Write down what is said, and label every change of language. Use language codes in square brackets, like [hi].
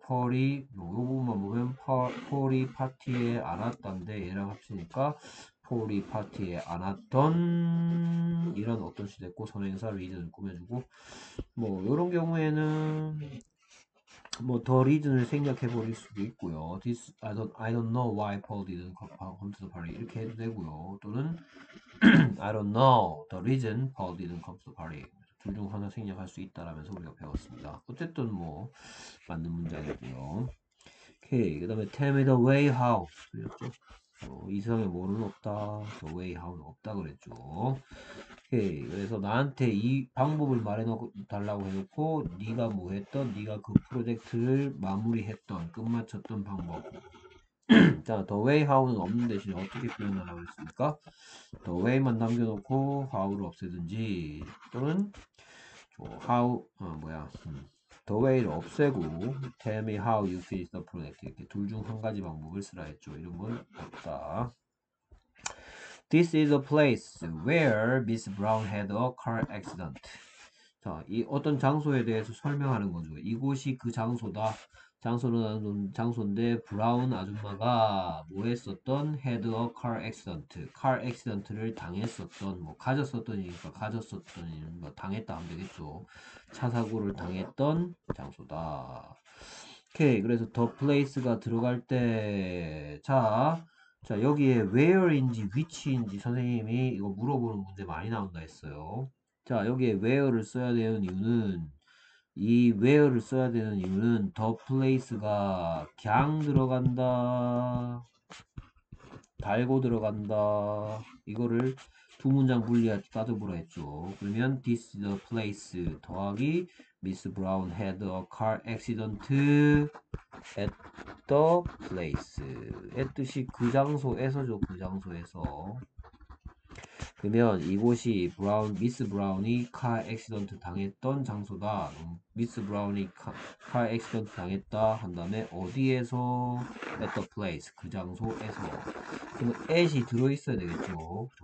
[ko] 펄이 요 부분만 보면 펄이 파티에 안 왔단데 얘랑 합치니까 우리 파티에 안 왔던 이런 어떤 시도 있고 선행사 리즌을 꾸며주고 뭐 이런 경우에는 뭐더 리즌을 생략해 버릴 수도 있고요. [en] This I don't know why Paul didn't come to the party 이렇게 해도 되고요. 또는 I don't know the reason Paul didn't come to the party [ko] 둘중 하나 생략할 수 있다라면서 우리가 배웠습니다. 어쨌든 뭐 맞는 문장이고요. 오케이 그다음에 [en] Tell me the way how [ko] 그랬죠? 이 세상에 뭐는 없다. The way how는 없다 그랬죠. 오케이 그래서 나한테 이 방법을 말해놓고 달라고 해놓고 네가 뭐 했던 네가 그 프로젝트를 마무리했던 끝마쳤던 방법. 자, the way how는 없는 대신 어떻게 표현을 하고 있습니까? The way만 남겨놓고 how를 없애든지 또는 how 뭐야 The way를 없애고 [en] Tell me how you finish the project [ko] 이렇게 둘중한 가지 방법을 쓰라 했죠. 이런 건 없다. [en] This is a place where Miss Brown had a car accident. [ko] 자, 이 어떤 장소에 대해서 설명하는 거죠. 이곳이 그 장소다. 장소는 장소인데 브라운 아줌마가 뭐 했었던? [en] Had a car accident. [ko] Car accident를 당했었던 뭐 가졌었던이니까 가졌었던이니 뭐 당했다 하면 되겠죠. 차 사고를 당했던 장소다. 오케이. 그래서 the place가 들어갈 때 자, 여기에 where인지 which인지 선생님이 이거 물어보는 문제 많이 나온다 했어요. 자, 여기에 where를 써야 되는 이유는 이 where를 써야 되는 이유는 the place가 걍 들어간다, 달고 들어간다. 이거를 두 문장 분리해서 따져보라 했죠. 그러면 [en] this is the place [ko] 더하기 [en] Miss Brown had a car accident at the place. [ko] 했듯이 그 장소에서죠. 그 장소에서. 그러면 이곳이 미스 브라운이 카 액시던트 당했던 장소다. 미스 브라운이 카 액시던트 당했다 한 다음에 어디에서? [en] At the place [ko] 그 장소에서. 그럼 at이 들어있어야 되겠죠.